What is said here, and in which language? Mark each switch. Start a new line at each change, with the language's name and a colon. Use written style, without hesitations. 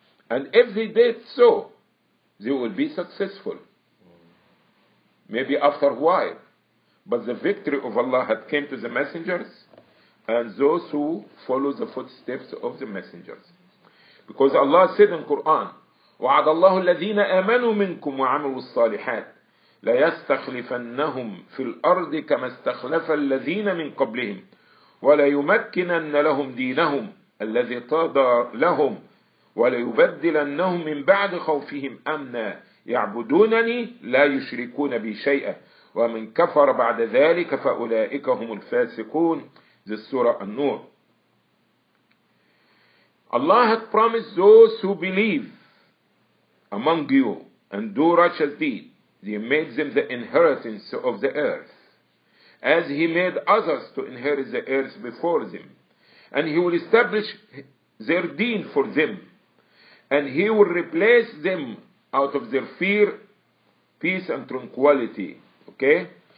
English: And if they did so, they will be successful. Maybe after a while. But the victory of Allah had came to the messengers and those who follow the footsteps of the messengers. Because Allah said in Quran,
Arabic: وَعَدَ اللَّهُ الَّذِينَ آمَنُوا مِنْكُمْ وَعَمِلُوا الصَّالِحَاتِ لَيَسْتَخْلِفَنَّهُمْ فِي الْأَرْضِ كَمَا اسْتَخْلَفَ الَّذِينَ مِنْ قَبْلِهِمْ وَلَيُمَكِّنَنَّ لَهُمْ دِينَهُمْ الَّذِي طَغَى لَهُمْ وَلَيُبَدِّلَنَّهُمْ مِنْ بَعْدِ خَوْفِهِمْ أَمْنًا يَعْبُدُونَنِي لَا يُشْرِكُونَ بِي شَيْئًا وَمَنْ كَفَرَ بَعْدَ ذَلِكَ فَأُولَئِكَ هُمُ الْفَاسِقُونَ.
English: This Surah An-Nur. Allah had promised those who believe among you and do righteous deeds, He made them the inheritance of the earth, as He made others to inherit the earth before them. And He will establish their deen for them, and He will replace them out of their fear, peace and tranquility. Okay?